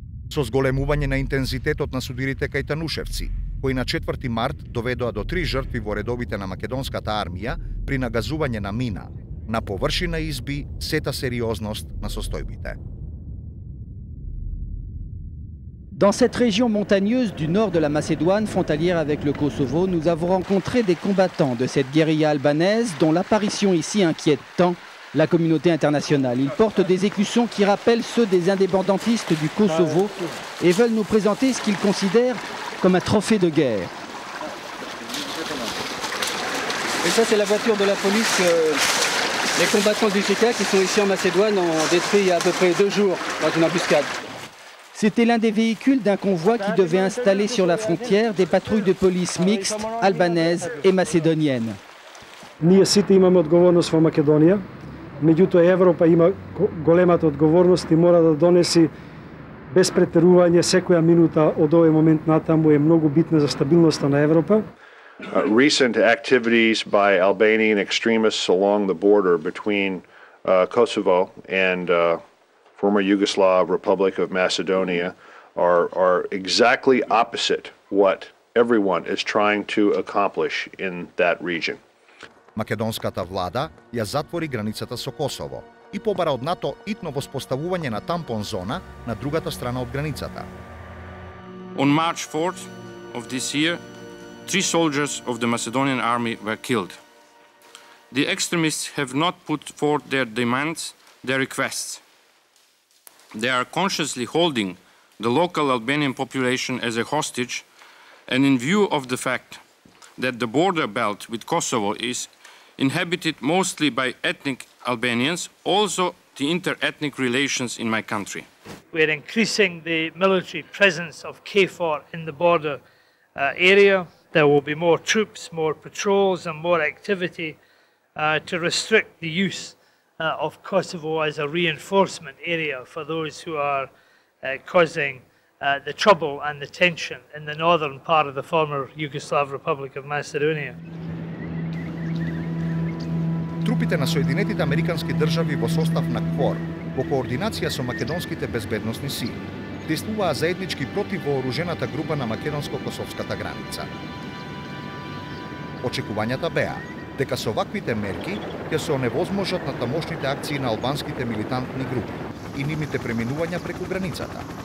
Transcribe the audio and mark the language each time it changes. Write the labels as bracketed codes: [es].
[mk] Со зголемување на интензитетот на судирите кај Танушевци, кои на 4 март доведоа до 3 жртви во редовите на македонската армија при нагазување на мина, на површина изби сета сериозност на состојбите. [fr] Dans cette région montagneuse du nord de la Macédoine, frontalière avec le Kosovo, nous avons rencontré des combattants de cette guérilla albanaise dont l'apparition ici inquiète tant la communauté internationale. Ils portent des écussons qui rappellent ceux des indépendantistes du Kosovo et veulent nous présenter ce qu'ils considèrent comme un trophée de guerre. Et ça, c'est la voiture de la police. Les combattants du GK qui sont ici en Macédoine ont détruit il y a à peu près deux jours dans une embuscade. C'était l'un des véhicules d'un convoi qui devait installer sur la frontière des patrouilles de police mixtes albanaises et macédoniennes. [mk] Ние сите имаме одговорност во Македонија, меѓутоа Европа има големата одговорност и мора да донесе Без претерување, секоја минута од овој момент натаму е многу битна за стабилноста на Европа. [en] Recent activities by Albanian extremists along the border between Kosovo and former Yugoslav Republic of Macedonia are exactly opposite what everyone is trying to accomplish in that region. [mk] Македонската влада ја затвори границата со Косово и побара од НАТО итно воспоставување на тампон зона на другата страна од границата. [en] On March 4th of this year, three soldiers of the Macedonian army were killed. The extremists have not put forth their demands, their requests. They are consciously holding the local Albanian population as a hostage, and in view of the fact that the border belt with Kosovo is inhabited mostly by ethnic Albanians, also the inter-ethnic relations in my country. We are increasing the military presence of KFOR in the border area. There will be more troops, more patrols, and more activity to restrict the use of Kosovo as a reinforcement area for those who are causing the trouble and the tension in the northern part of the former Yugoslav Republic of Macedonia. [mk] Трупите на Соединетите Американски држави во состав на КФОР, во координација со македонските безбедносни сили, действуваа заеднички против вооружената група на македонско-косовската граница. Очекувањата беа дека со ваквите мерки ќе се оневозможат на тамошните акции на албанските милитантни групи и нивните преминувања преку границата.